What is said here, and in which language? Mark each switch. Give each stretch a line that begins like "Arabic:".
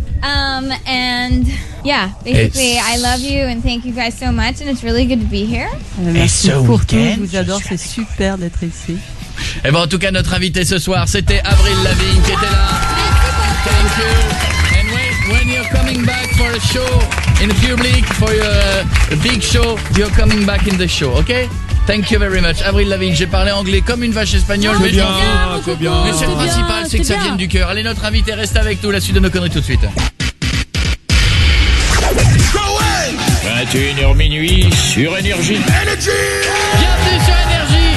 English: And yeah, basically, I love you and thank you guys so much. And it's really good to be here.
French: Merci pour tout. Je vous adore. C'est super d'être ici. Et bon, en tout cas, notre invité ce soir, c'était Avril Lavigne qui était là.
English: Thank you. And when you're coming back for a show in the public for your big show, you're coming back in the show, okay? Thank you very much.
French: Avril Lavigne, j'ai parlé anglais comme une vache espagnole. C'est mais bien, c'est bien. Mais c'est le principal, c'est que ça vienne du cœur. Allez, notre invité, reste avec nous. La suite de nos conneries tout de suite. 21h minuit sur Énergie. Energy. Bienvenue sur Énergie.